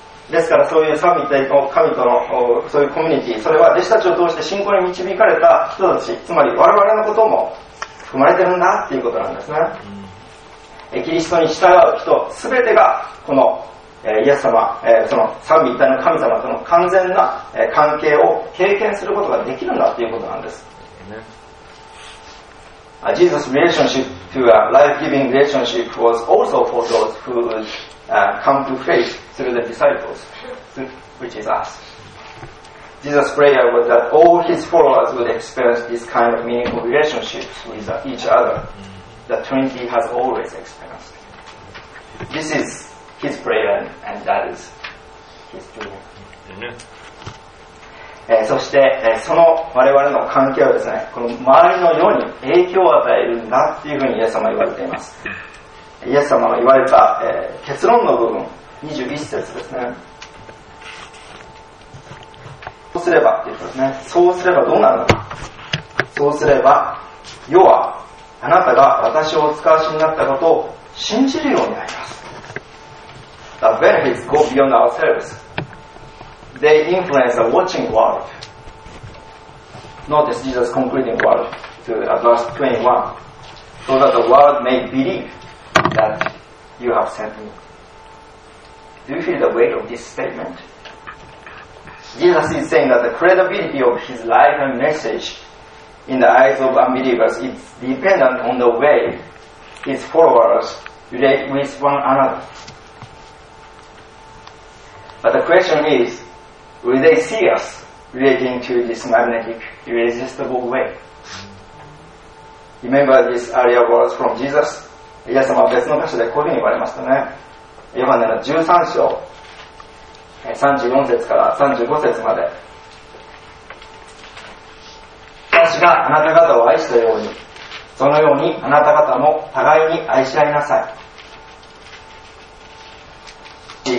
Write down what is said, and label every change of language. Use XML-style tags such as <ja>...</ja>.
<ja>ですからそういう三位一体の神とのそういうコミュニティ、それは弟子たちを通して信仰に導かれた人たち、つまり我々のことも含まれてるんだっていうことなんですね。キリストに従う人全てがこのイエス様、その三位一体の神様との完全な関係を経験することができるんだっていうことなんです。</ja> <en>Jesus' relationship to a life-giving relationship was also for those who would come to faith through the disciples, which is us. Jesus' prayer was that all his followers would experience this kind of meaningful relationships with each other that Trinity has always experienced. This is his prayer and that is his dream.</en> <ja>そして、その我々の関係をですね、この周りの世に影響を与えるんだっていうふうにイエス様は言われています。イエス様の言われた、結論の部分21節ですね。そうすればって言うとですね、そうすればどうなるのか。そうすれば世はあなたが私をお使わしになったことを信じるようになります。</ja> <en>The benefits go beyond ourselvesThey influence a watching world. Notice Jesus' concluding word to verse 21. so that the world may believe that you have sent me. Do you feel the weight of this statement? Jesus is saying that the credibility of his life and message in the eyes of unbelievers is dependent on the way his followers relate with one another. But the question is, will they see us relating to this magnetic, irresistible way? Remember these earlier words from Jesus?</en> <ja>イエス様は別の箇所でこういうふうに言われましたね。ヨハネの13章34節から35節まで、私があなた方を愛したように、そのようにあなた方も互いに愛し合いなさい。</ja>